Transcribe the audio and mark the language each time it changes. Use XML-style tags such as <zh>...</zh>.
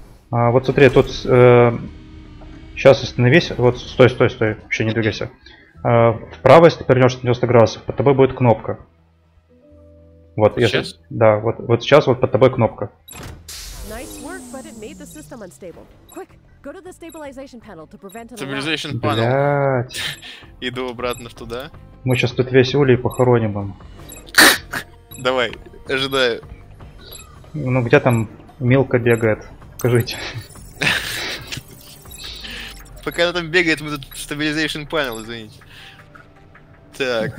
<ru>А, вот смотри, тут... сейчас остановись. Вот, стой. Вообще не двигайся. Вправо, если ты повернешь 90 градусов, под тобой будет кнопка. Вот, сейчас? Если... Да, вот сейчас вот под тобой кнопка.</ru> <en>Nice work, but it made the system unstable. Quick, go to the stabilization panel to prevent an alarm. Stabilization panel.</en> <ru>Блядь. Иду обратно в туда. Мы сейчас тут весь улей похороним вам. Давай, ожидаю. Ну где там Милка бегает? Скажите. Пока она там бегает, мы тут</ru> <en>stabilization panel,</en> <ru>извините. Так.</ru>